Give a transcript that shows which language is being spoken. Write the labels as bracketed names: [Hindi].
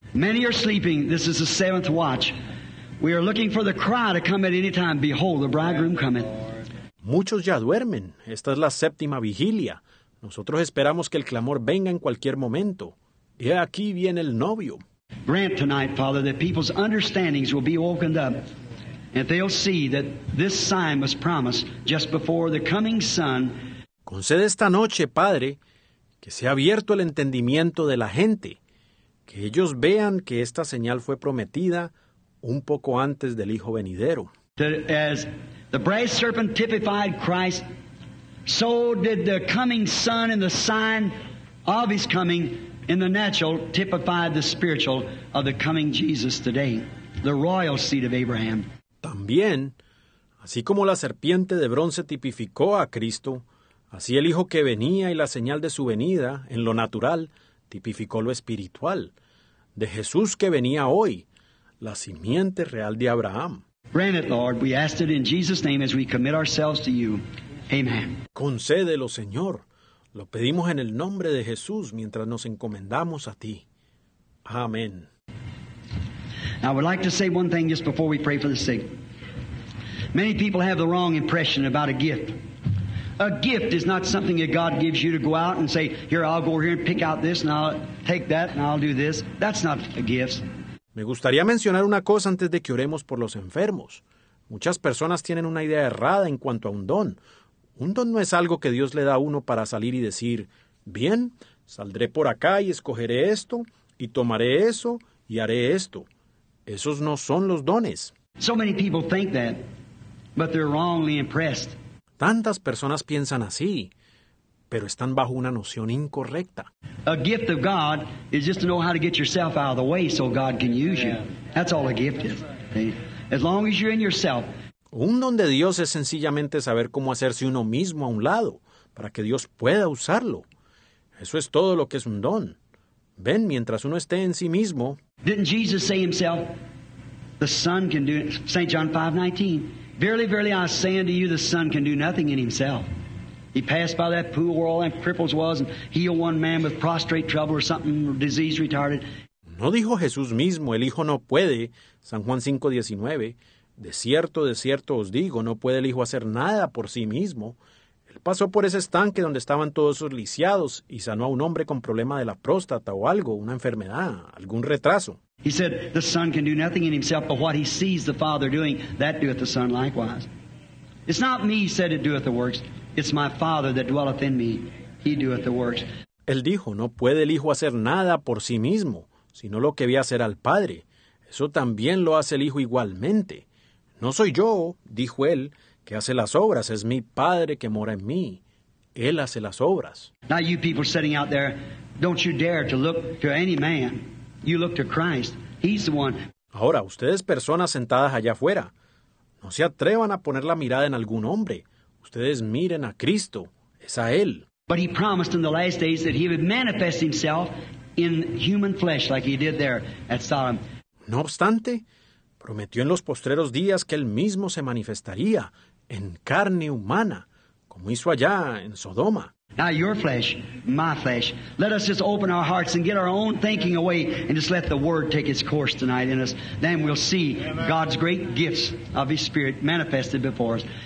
[English] Many are sleeping. This is the seventh watch. We are looking for the cry to come at any time. Behold, the bridegroom cometh. [Spanish] Muchos ya duermen. Esta es la séptima vigilia. Nosotros esperamos que el clamor venga en cualquier momento. Y aquí viene el novio. [English] Grant tonight, Father, that people's understandings will be opened up, and they'll see that this sign was promised just before the coming sun. [Spanish] Concede esta noche, Padre, que sea abierto el entendimiento de la gente, que ellos vean que esta señal fue prometida un poco antes del Hijo venidero. [English] As the brass serpent typified Christ, so did the coming sun and the sign of his coming in the natural typify the spiritual of the coming Jesus today, the royal seed of Abraham. [Spanish] También, así como la serpiente de bronce tipificó a Cristo, así el Hijo que venía y la señal de su venida, en lo natural, tipificó lo espiritual, de Jesús que venía hoy, la simiente real de Abraham. [English] Grant it, Lord, we ask it in Jesus' name as we commit ourselves to you. Amen. [Spanish] Concédelo, Señor. Lo pedimos en el nombre de Jesús mientras nos encomendamos a ti. Amén. [English] Now, I would like to say one thing just before we pray for the sick. Many people have the wrong impression about a gift. A gift is not something that God gives you to go out and say, here, I'll go over here and pick out this, and I'll take that, and I'll do this. That's not a gift. [Spanish] Me gustaría mencionar una cosa antes de que oremos por los enfermos. Muchas personas tienen una idea errada en cuanto a un don. Un don no es algo que Dios le da a uno para salir y decir, bien, saldré por acá y escogeré esto, y tomaré eso, y haré esto. Esos no son los dones. [English] So many people think that, but they're wrongly impressed. [Spanish] Tantas personas piensan así, pero están bajo una noción incorrecta. [English] A gift of God is just to know how to get yourself out of the way so God can use you. That's all a gift is. As long as you're in yourself. [Spanish] Un don de Dios es sencillamente saber cómo hacerse uno mismo a un lado para que Dios pueda usarlo. Eso es todo lo que es un don. Ven, mientras uno esté en sí mismo. [English] Didn't Jesus say himself, the Son can do it? St. John 5:19. Verily, verily, I say unto you, the Son can do nothing in himself. He passed by that pool where all them cripples was and healed one man with prostrate trouble or something, or disease retarded. [Spanish] No dijo Jesús mismo, el Hijo no puede, San Juan 5:19. De cierto os digo, no puede el Hijo hacer nada por sí mismo. Él pasó por ese estanque donde estaban todos esos lisiados y sanó a un hombre con problema de la próstata o algo, una enfermedad, algún retraso. [English] He said, the Son can do nothing in himself, but what he sees the Father doing, that doeth the Son likewise. It's not me, he said, that doeth the works. It's my Father that dwelleth in me. He doeth the works. [Spanish] Él dijo, no puede el Hijo hacer nada por sí mismo, sino lo que ve hacer al Padre. Eso también lo hace el Hijo igualmente. No soy yo, dijo él, que hace las obras. Es mi Padre que mora en mí. Él hace las obras. [English] Now you people sitting out there, don't you dare to look to any man. You look to Christ. He's the one. [Spanish] Ahora, ustedes personas sentadas allá afuera, no se atrevan a poner la mirada en algún hombre. Ustedes miren a Cristo. Es a Él. [English] But he promised in the last days that he would manifest himself in human flesh like he did there at Sodom. [Spanish] No obstante, prometió en los postreros días que él mismo se manifestaría en carne humana, como hizo allá en Sodoma. [English] Now your flesh, my flesh, let us just open our hearts and get our own thinking away and just let the Word take its course tonight in us. Then we'll see God's great gifts of His Spirit manifested before us.